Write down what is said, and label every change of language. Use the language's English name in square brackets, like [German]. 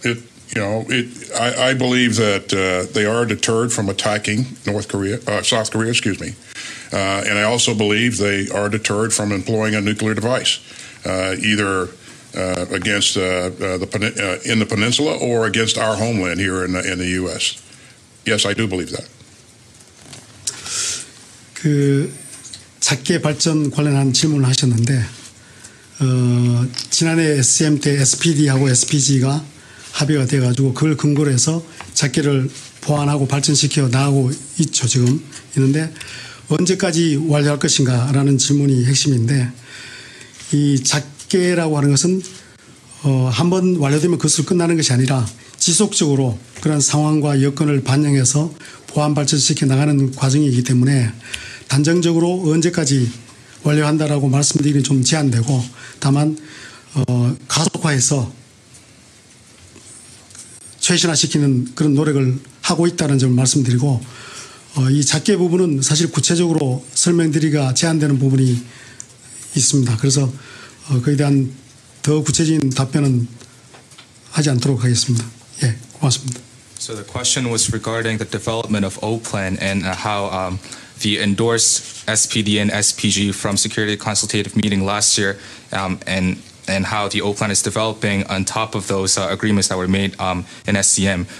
[English] I believe that they are deterred from attacking South Korea. Excuse me. And I also believe they are deterred from employing a nuclear device, either against in the peninsula or against our homeland here in the U.S. Yes, I do believe that. [Korean] 그 작계 발전 관련한 질문을 하셨는데 지난해 SM 때 SPD하고 SPG가 합의가 돼가지고 그걸 근거로 해서 작계를 보완하고 발전시켜 나가고 있죠 지금 있는데 언제까지 완료할 것인가라는 질문이 핵심인데 이 작계라고 하는 것은 한번 완료되면 그것으로 끝나는 것이 아니라 지속적으로 그런 상황과 여건을 반영해서 보완 발전시켜 나가는 과정이기 때문에 단정적으로 언제까지 완료한다라고 말씀드리기는 좀 제한되고 다만 가속화해서 최신화시키는 그런 노력을 하고 있다는 점을 말씀드리고 이 작계 부분은 사실 구체적으로 설명드리기가 제한되는 부분이 있습니다. 그래서 거기에 대한 더 구체적인 답변은 하지 않도록 하겠습니다. 예, 고맙습니다. [English] So the question was regarding the development of O-Plan and how the endorsed SPD and SPG from Security Consultative Meeting last year and how the O-Plan is developing on top of those agreements that were made in SCM.